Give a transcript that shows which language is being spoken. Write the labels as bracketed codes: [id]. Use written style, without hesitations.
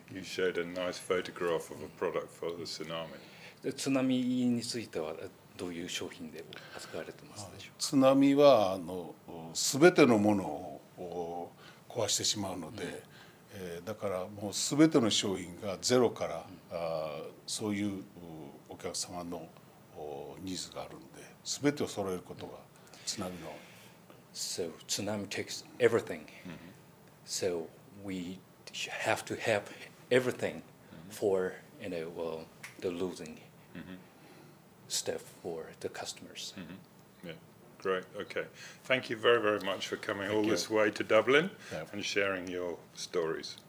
[en] You showed a nice photograph of a product for the tsunami. The tsunami [ja] についてはどういう商品で扱われてますでしょう。津波はすべてのものを壊してしまうので、だからもうすべての商品がゼロから、そういうお客様のニーズがあるので、すべてを揃えることが津波の。 [en] So tsunami takes everything. So we have to have everything for the losing stuff for the customers. Yeah, great. Okay, thank you very, very much for coming this way to Dublin and sharing your stories.